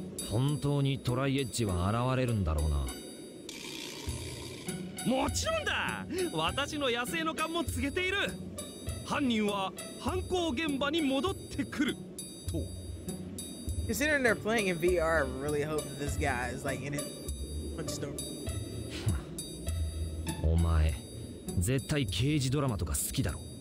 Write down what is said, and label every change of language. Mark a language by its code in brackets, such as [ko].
[ja] 本当にトライエッジは現れるんだろうな。もちろんだ。私の野生の勘も告げている。犯人は犯行現場に戻ってくると。 [en] Considering they're playing in VR, I really hope that this guy is like in it. Punch the room. [ja] お前、絶対刑事ドラマとか好きだろ。